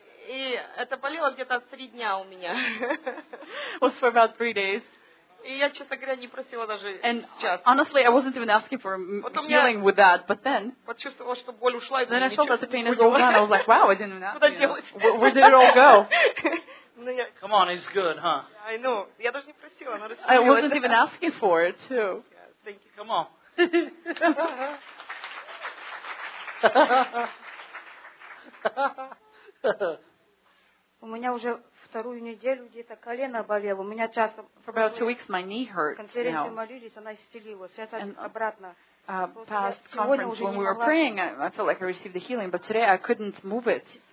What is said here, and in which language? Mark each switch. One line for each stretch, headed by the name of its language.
Russian: И это болело где-то 3 дня у меня.
English: Was for about 3 days.
Russian: И я, честно говоря, не просила даже сейчас.
English: Honestly, I wasn't even asking for healing with that, but then
Russian: почувствовала, что боль ушла, и
English: then I felt that the pain is all gone. I was like, wow, I didn't even ask.
Russian: Куда делось?
English: Where did it all go? Come on, he's good, huh? I know.
Russian: Я даже не просила, но
English: I wasn't even asking for it, too. Yeah, thank you. Come on.
Russian: У меня уже вторую неделю где-то колено болело. У меня часто
English: for about 2 weeks my knee hurt.
Russian: Конференции молились, она исцелилась. Сейчас обратно.
English: Past conference when we were praying, I felt like I received the healing, but today I couldn't move it.